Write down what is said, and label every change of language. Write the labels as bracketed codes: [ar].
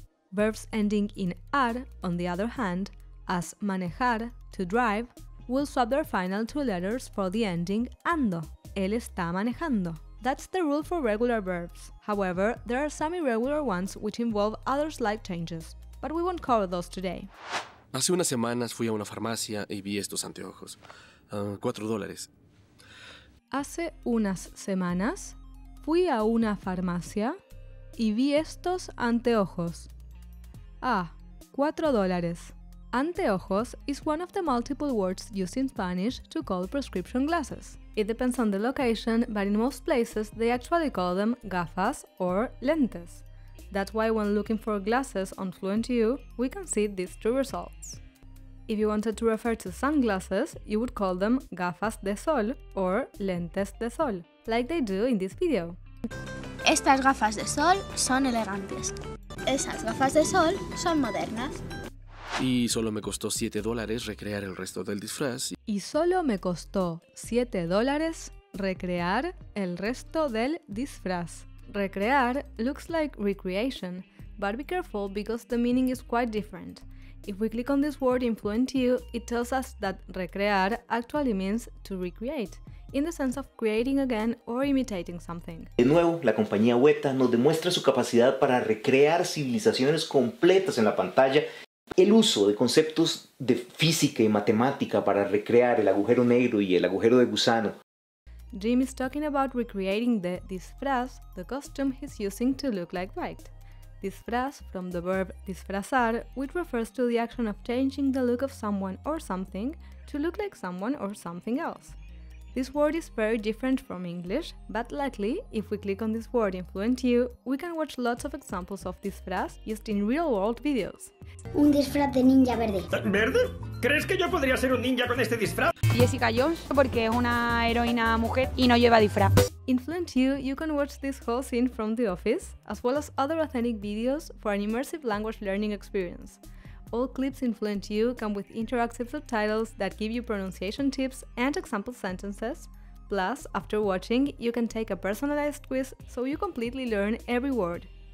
[en] Verbs ending in ar, on the other hand, as manejar, to drive, will swap their final two letters for the ending ando. [es] Él está manejando. [en] That's the rule for regular verbs. However, there are some irregular ones which involve other slight changes, but we won't cover those today. [es] Hace unas semanas fui a una farmacia y vi estos anteojos. [en] $4. [es] Hace unas semanas fui a una farmacia y vi estos anteojos. [en] Ah, $4. Anteojos is one of the multiple words used in Spanish to call prescription glasses. It depends on the location, but in most places they actually call them gafas or lentes. That's why when looking for glasses on FluentU, we can see these two results. If you wanted to refer to sunglasses, you would call them gafas de sol or lentes de sol. like they do in this video. [es] Estas gafas de sol son elegantes. Esas gafas de sol son modernas. Y solo me costó $7 recrear el resto del disfraz. Y solo me costó $7 recrear el resto del disfraz. [en] Recrear looks like recreation, but be careful because the meaning is quite different. If we click on this word in FluentU, it tells us that recrear actually means to recreate, in the sense of creating again or imitating something. [es] De nuevo, la compañía Weta nos demuestra su capacidad para recrear civilizaciones completas en la pantalla. El uso de conceptos de física y matemática para recrear el agujero negro y el agujero de gusano. [en] Jim is talking about recreating the disfraz, the costume he's using to look like Dwight. Disfraz, from the verb disfrazar, which refers to the action of changing the look of someone or something to look like someone or something else. This word is very different from English, but luckily, if we click on this word in FluentU, we can watch lots of examples of disfraz used in real-world videos. [es] Un disfraz de ninja verde. ¿Verde? ¿Crees que yo podría ser un ninja con este disfraz? Jessica Jones, porque es una heroína mujer y no lleva disfraz. [en] In FluentU, you can watch this whole scene from The Office, as well as other authentic videos for an immersive language learning experience. All clips in FluentU come with interactive subtitles that give you pronunciation tips and example sentences. Plus, after watching, you can take a personalized quiz so you completely learn every word.